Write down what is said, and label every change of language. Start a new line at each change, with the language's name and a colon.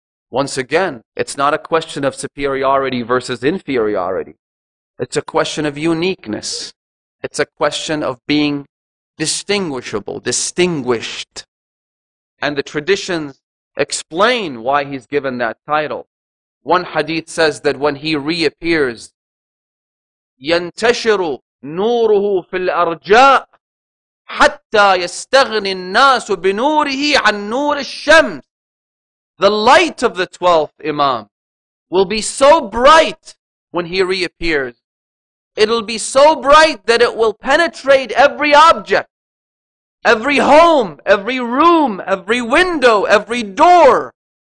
English: Once again, it's not a question of superiority versus inferiority. It's a question of uniqueness. It's a question of being distinguishable, distinguished. And the traditions explain why he's given that title. One hadith says that when he reappears,
Arabic: يَنْتَشِرُ نوره في الأرجاء حتى يستغني الناس بنوره عن نور الشمس.
English: The light of the 12th Imam will be so bright when he reappears. It'll be so bright that it will penetrate every object, every home, every room, every window, every door.